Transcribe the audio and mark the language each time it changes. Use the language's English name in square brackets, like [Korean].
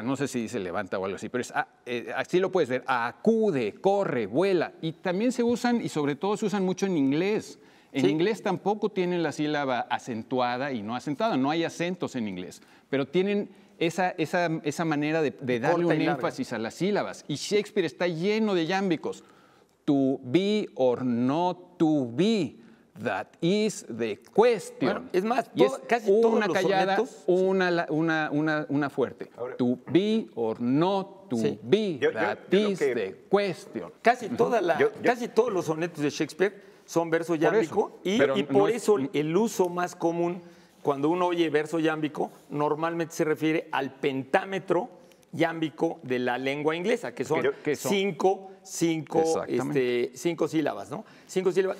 [Spanish] No sé si dice levanta o algo así, pero así lo puedes ver. Acude, corre, vuela. Y también se usan, y sobre todo se usan mucho en inglés. En inglés tampoco tienen la sílaba acentuada y no acentuada. No hay acentos en inglés, pero tienen esa manera de darle un énfasis a las sílabas. Y Shakespeare está lleno de iámbicos. [English] To be or not to be, that is the question. [Spanish] Bueno, es más, casi todos los sonetos, una callada, una fuerte. [English] Ahora, to be or not to be, that is the question. [Spanish] Casi todos los sonetos de Shakespeare son verso iámbico. El uso más común, cuando uno oye verso iámbico, normalmente se refiere al pentámetro iámbico de la lengua inglesa, que son cinco sílabas, ¿no? Cinco sílabas.